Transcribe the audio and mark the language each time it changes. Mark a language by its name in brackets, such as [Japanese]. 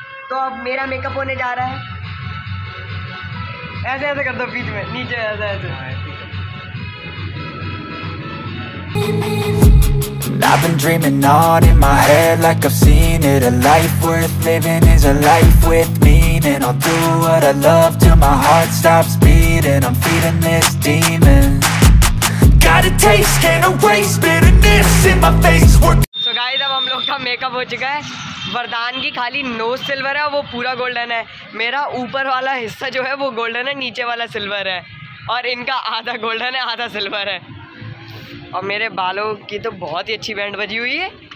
[Hindi] तो अब मेरा मेकअप होने जा रहा है। ऐसे ऐसे कर दो बीच में नीचे ऐसे ऐसे। [English] I've been dreaming on in my head like I've seen it. A life worth living is a life with meaning. I'll do what I love till my heart stops beating. I'm feeding this demon. Got a taste, can't erase bitterness in my face. [Hindi] So guys, अब हम लोग का makeup हो चुका है। वरदान की खाली नोज सिल्वर है, वो पूरा गोल्डन है। मेरा ऊपर वाला हिस्सा जो है वो गोल्डन है, नीचे वाला सिल्वर है, और इनका आधा गोल्डन है आधा सिल्वर है। और मेरे बालों की तो बहुत ही अच्छी बैंड बजी हुई है,